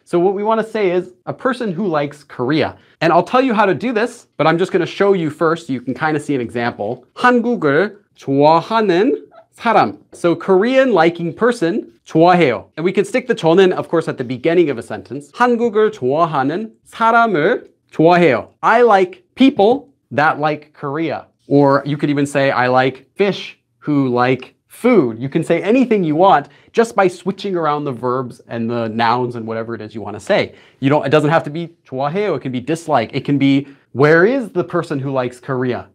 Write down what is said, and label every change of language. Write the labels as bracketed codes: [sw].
[en] So what we want to say is a person who likes Korea. And I'll tell you how to do this, but I'm just going to show you first so you can kind of see an example. [ko] 한국을 좋아하는 사람. [en] So Korean liking person, [ko] 좋아해요. [en] And we can stick the 저는, of course, at the beginning of a sentence. [ko] 한국을 좋아하는 사람을 좋아해요. [en] I like people that like Korea. Or you could even say I like fish who like food. You can say anything you want just by switching around the verbs and the nouns and whatever it is you want to say. You don't, it doesn't have to be 좋아해요. It can be dislike. It can be where is the person who likes Korea?